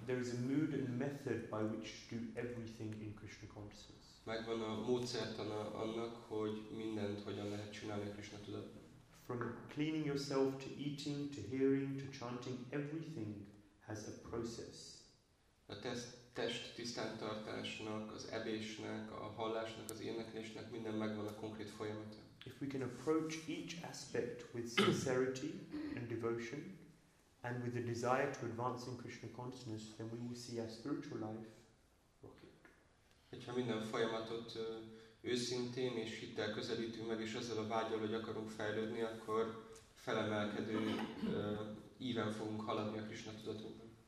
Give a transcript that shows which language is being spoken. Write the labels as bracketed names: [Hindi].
[English] There is a mood and method by which to do everything in Krishna consciousness. [Hungarian] Megvan a módszertana annak, hogy mindent hogyan lehet csinálni a Krishna tudatban. [English] From cleaning yourself to eating to hearing to chanting, everything has a process. [Hungarian] A test tisztántartásnak, az ebésnek, a hallásnak, az éneklésnek minden megvan a konkrét folyamata. [English] If we can approach each aspect with sincerity and devotion and with the desire to advance in Krishna consciousness, then we will see our spiritual life. [Hungarian] Hogyha minden folyamatot őszintén és hittel közelítünk meg, és azzal a vágyal, hogy akarunk fejlődni, akkor felemelkedő íven fogunk haladni a Krishna tudatunkban.